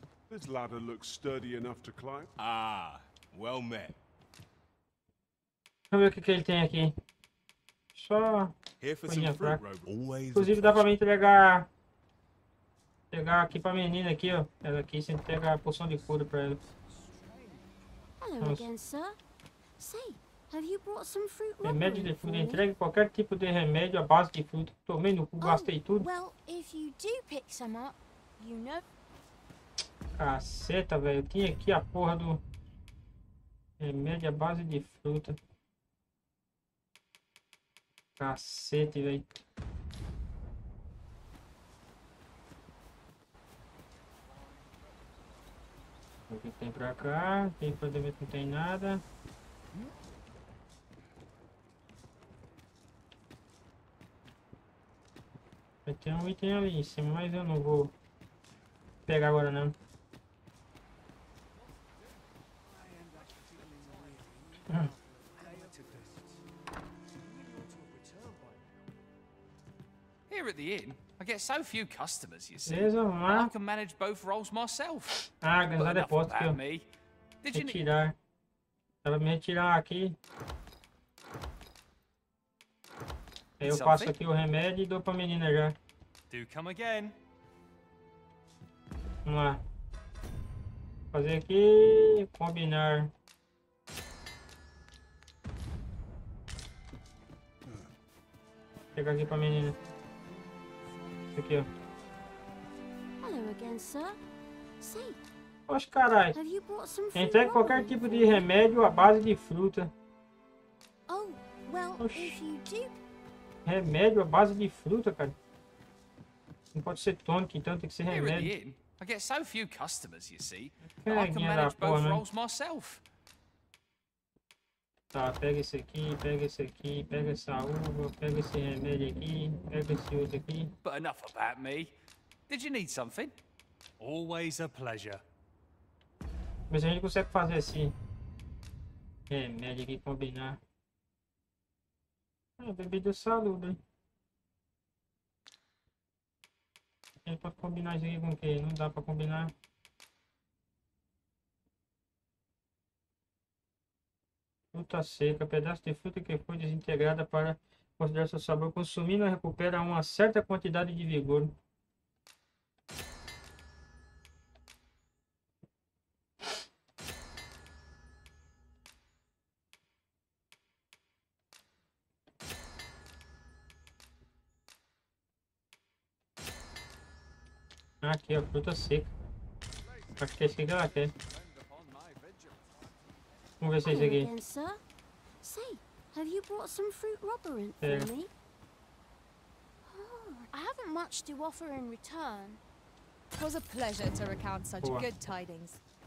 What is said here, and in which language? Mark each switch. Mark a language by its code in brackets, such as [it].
[en] This ladder looks sturdy enough to climb. Ah, well met. [pt] Vamos ver o que, ele tem aqui. Só coisinha fraca. Inclusive dá pra me entregar. Pegar aqui pra menina aqui, ó. Ela aqui, sem pegar a poção de cura pra ela. [en] Hello again, sir. Say, have you brought some fruit? [pt] Remédio de fruta, entregue qualquer tipo de remédio à base de fruta. Tomei no cu, gastei tudo. [en] Well, if you do pick some up. You know? [pt] Caceta, velho. Tinha aqui a porra do remédio à base de fruta. Cacete, velho. O que tem pra cá? Tem pra dentro, não tem nada. Tem um item ali em cima, mas eu não vou pegar agora não. [en] Here at the inn, I get so few customers, you see. [pt] Beleza, vamos lá. [en] I can manage both roles myself. [pt] Ah, ganhar depósito aqui. [en] Did you [pt] retirar. Tava me retirar aqui. Eu passo aqui o remédio e dou pra menina já. [en] Do come again. [pt] Vamos lá. Fazer aqui. Combinar. Pegar aqui pra menina. Isso aqui, ó. [en] Hello again, sir. Say. [pt] Poxa, carai. [en] Have you bought some fruit? [pt] Entregue qualquer tipo de remédio à base de fruta. [en] Oh, well, [pt] oxi. [en] If you do. [pt] Remédio à base de fruta, cara. Não pode ser tônica, então tem que ser remédio. [en] Eu get so few customers, you see. I can manage both roles myself. [pt] Tá, pega esse aqui, pega esse aqui, pega essa uva, pega esse remédio aqui, pega esse outro aqui. [en] But enough about me. Did you need something? Always a pleasure. [pt] Mas a gente consegue fazer assim. Remédio aqui, combinar. É, bebida saúde, hein? É pra combinar isso aqui com o quê? Não dá pra combinar. Fruta seca, pedaço de fruta que foi desintegrada para considerar seu sabor. Consumindo, recupera uma certa quantidade de vigor. Aqui, ó, fruta seca. Acho que é esse aqui que ela quer. Vamos ver se é isso aqui. [en] Say, have you brought some fruit rubberant for me? I haven't much to offer in return. It was a pleasure to recount such good tidings.